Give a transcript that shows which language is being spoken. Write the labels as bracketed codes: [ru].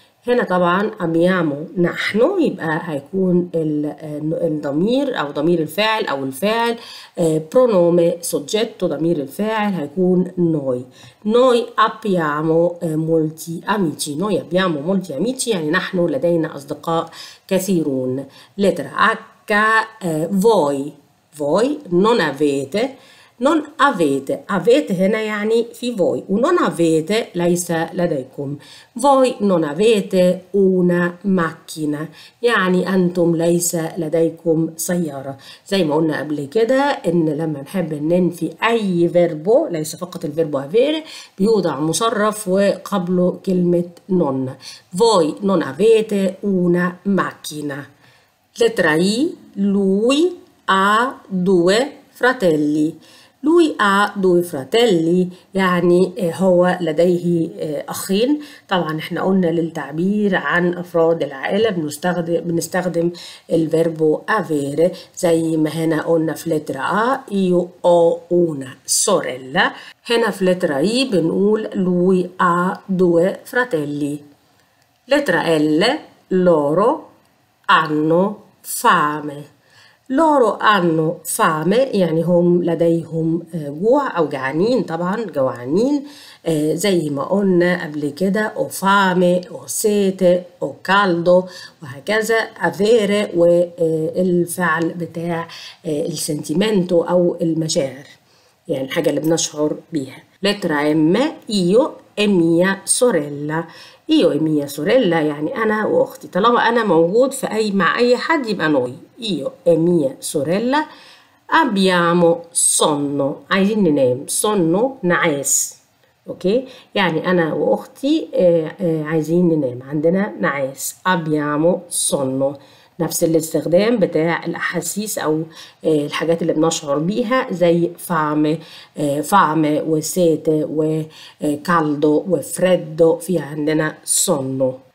[ar] هنا طبعا أبيامو نحن، يبقى هيكون الضمير أو ضمير الفاعل أو الفاعل، برونومي سوجيتو ضمير الفاعل هيكون نوي، [it] نوي أبيامو مولتي أميتشي، [ar] نوي أبيامو مولتي أميتشي يعني نحن لدينا أصدقاء كثيرون. [it] لترا أكا، فوي، فوي نون أفيتي، non avete. [ar] Avete هنا يعني في voi. و [it] non avete [ar] ليس لديكم. [it] Voi non avete una macchina. [ar] يعني أنتم ليس لديكم سيارة. زي ما قلنا قبل كده إن لما نحب ننفي أي verbo ليس فقط الverbo avere بيوضع مصرف وقبله كلمة non. [it] Voi non avete una macchina. Lettera I. Lui ha due fratelli. Lui ha due fratelli [ar] يعني هو لديه أخين. طبعا احنا قلنا للتعبير عن أفراد العائلة بنستخدم الverbo avere زي ما هنا قلنا في لترة A [it] io ho una sorella. [ar] هنا في لترة I بنقول [it] lui ha due fratelli. لترة L loro hanno fame. [ar] Loro hanno fame يعني هم لديهم جوع أو جعانين طبعا جوعانين زي ما قلنا قبل كده [it] o fame o sete o caldo [ar] وهكذا avere والفعل بتاع السنتيمنتو أو المشاعر يعني الحاجة اللي بنشعر بيها. [it] Lettera M io e mia sorella. Io e mia sorella [ar] يعني أنا وأختي. طالما أنا موجود في أي مع أي حد يبقى noi. [it] Io e mia sorella abbiamo sonno. [ar] عايزين ننام. Sonno نعاس. أوكي؟ يعني أنا وأختي عايزين ننام. عندنا نعاس. [it] Abbiamo sonno. [ar] نفس الاستخدام بتاع الأحاسيس أو الحاجات اللي بنشعر بيها زي فعم فعم وسيت وكالدو وفريدو في عندنا سونو.